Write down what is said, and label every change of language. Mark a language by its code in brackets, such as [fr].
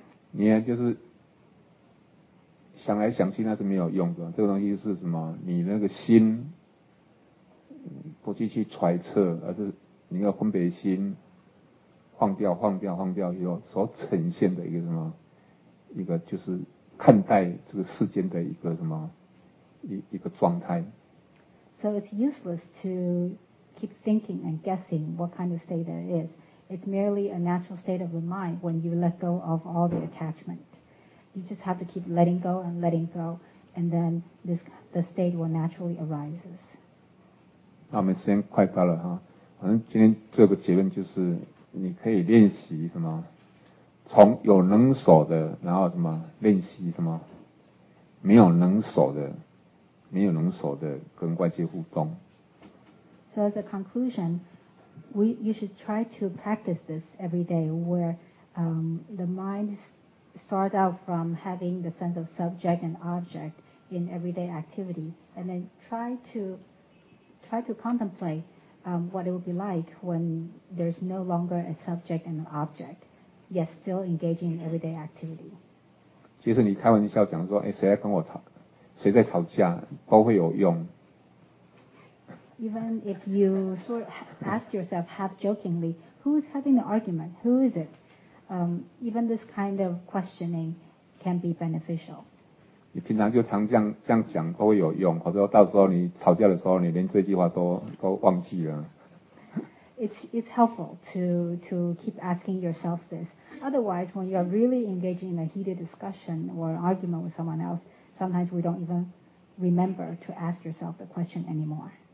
[zh] 你呢，就是想来想去那是没有用的。这个东西是什么？你那个心不继续揣测，而是你那个分别心晃掉以后所呈现的一个什么？一个就是看待这个世间的一个什么？一个状态。 [en] So it's useless to keep thinking and guessing what kind of state that is. It's merely a natural state of the mind when you let go of all the attachment. You just have to keep letting go and letting go, and then the state will naturally arise. [zh] 那我们时间快到了哈，反正今天做个结论就是，你可以练习什么，从有能守的，然后什么练习什么没有能守的。没有能守的跟外界互动。 [en] So as a conclusion, you should try to practice this every day, where the mind starts out from having the sense of subject and object in everyday activity, and then try to contemplate what it would be like when there's no longer a subject and an object, yet still engaging in everyday activity. [zh] 其实你开玩笑讲说，哎，谁在跟我吵？谁在吵架都会有用。 [en] Even if you sort of ask yourself half jokingly, who's having the argument? Who is it? Even this kind of questioning can be beneficial. [zh] 你平常就常这样讲都会有用，可是到时候你吵架的时候，你连这句话都忘记了。 [en] It's helpful to keep asking yourself this. Otherwise, when you are really engaging in a heated discussion or an argument with someone else,Sometimes we don't even remember to ask yourself the question anymore.